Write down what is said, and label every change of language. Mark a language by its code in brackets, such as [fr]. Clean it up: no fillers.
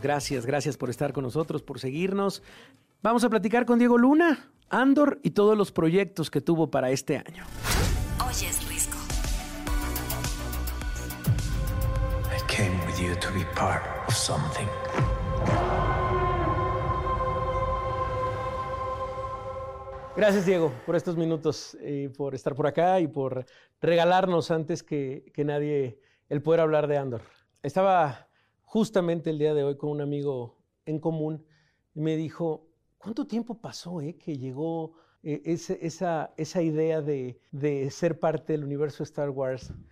[es] Gracias, gracias por estar con nosotros, por seguirnos. Vamos a platicar con Diego Luna, Andor y todos los proyectos que tuvo para este año. Oyes Risco. [en] I came with you to be part of something. [es] Gracias, Diego, por estos minutos y por estar por acá y por regalarnos antes que nadie el poder hablar de Andor. Estaba justamente el día de hoy con un amigo en común y me dijo, ¿cuánto tiempo pasó que llegó esa idea de ser parte del universo Star Wars?